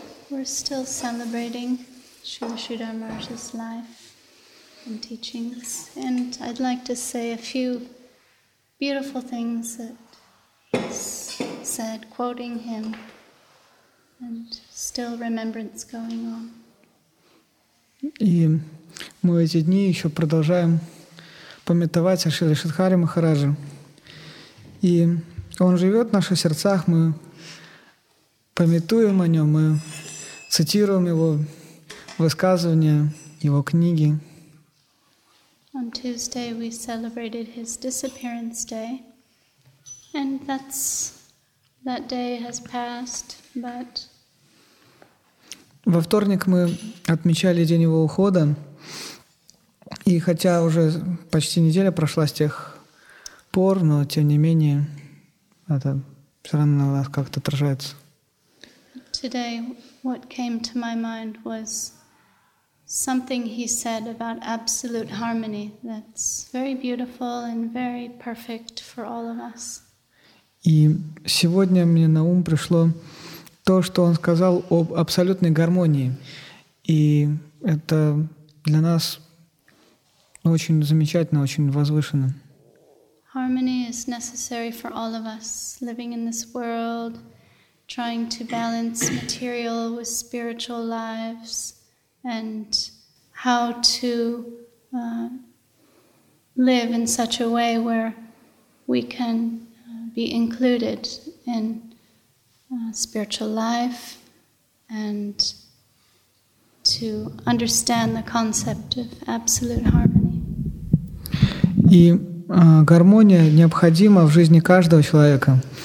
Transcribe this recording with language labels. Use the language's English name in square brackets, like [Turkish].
[English] We're still celebrating Sri Sridhar Maharaj's life and teachings, and I'd like to say a few beautiful things that he's said, quoting him, and still remembrance going on. [Ukrainian] І ми в ці дні ще продовжуємо пам'ятувати Шрі Шрідхарі Махараджа. І він живе в наших серцях, ми пам'ятуємо о ньому, ми цитируємо його висказування, його книги. [English] On Tuesday we celebrated his disappearance day. And that day has passed, but [Russian] во вторник [Ukrainian] ми відмічали день його уходу. І хоча вже майже неділя пройшла з тих пор, [Russian] но тим не менее это все равно на нас как-то отражается. [English] Today what came to my mind was something he said about absolute harmony that's very beautiful and very perfect for all of us. [Russian] И сегодня мне на ум пришло то, что он сказал об абсолютной гармонии. И это для нас очень замечательно, очень возвышенно. [English] Harmony is necessary for all of us living in this world, trying to balance material with spiritual lives, and how to live in such a way where we can be included in spiritual life and to understand the concept of absolute harmony. [Russian] И гармония необходима в жизни каждого человека.